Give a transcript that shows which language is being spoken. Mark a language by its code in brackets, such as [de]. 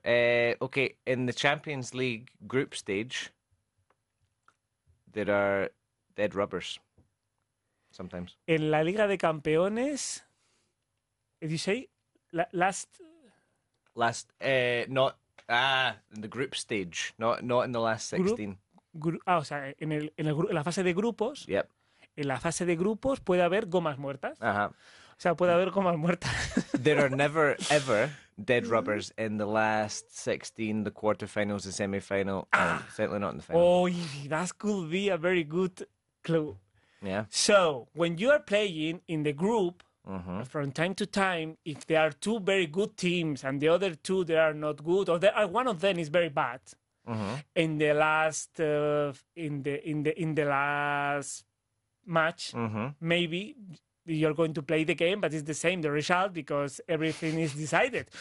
[en] Okay, in the Champions League group stage, there are dead rubbers sometimes. [es] En la Liga de Campeones. Dice last. [en] Last, not, in the group stage, not in the last Group. 16. [es] Ah, o sea, en la fase de grupos. [en] Yep. [es] En la fase de grupos puede haber gomas muertas. Ajá. O sea, puede haber gomas muertas. [en] There are never ever dead rubbers in the last 16, the quarterfinals, the semifinal, and certainly not in the final. Oh, that could be a very good clue. Yeah. So, when you are playing in the group, from time to time, if there are two very good teams and the other two they are not good, or one of them is very bad, in the last match, maybe you're going to play the game, but it's the same, the result, because everything is decided.